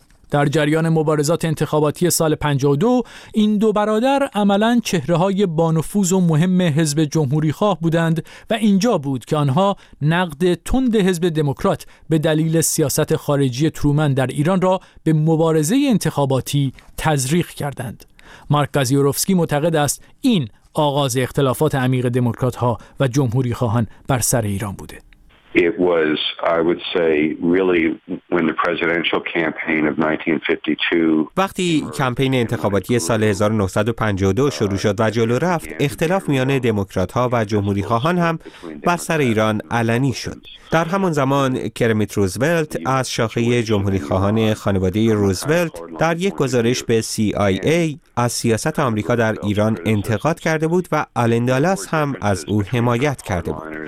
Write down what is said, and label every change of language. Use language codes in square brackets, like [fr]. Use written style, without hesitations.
[fa] در جریان مبارزات انتخاباتی سال 52 این دو برادر عملاً چهره‌های بانفوذ و مهم حزب جمهوری‌خواه بودند و اینجا بود که آنها نقد تند حزب دموکرات به دلیل سیاست خارجی ترومن در ایران را به مبارزه انتخاباتی تزریق کردند. مارک گازیوروفسکی معتقد است این آغاز اختلافات عمیق دموکرات‌ها و جمهوری‌خواهان بر سر ایران بوده. [en] It was, I would say, really when the presidential campaign of 1952. [fa] وقتی کمپین انتخاباتی سال 1952 شروع شد و جلو رفت، اختلاف میان دموکرات‌ها و جمهوری‌خواهان هم بر سر ایران علنی شد. در همان زمان کرمیت روزولت از شاخه جمهوری‌خواهان خانواده روزولت در یک گزارش به CIA از سیاست آمریکا در ایران انتقاد کرده بود و آلن دالس هم از او حمایت کرده بود.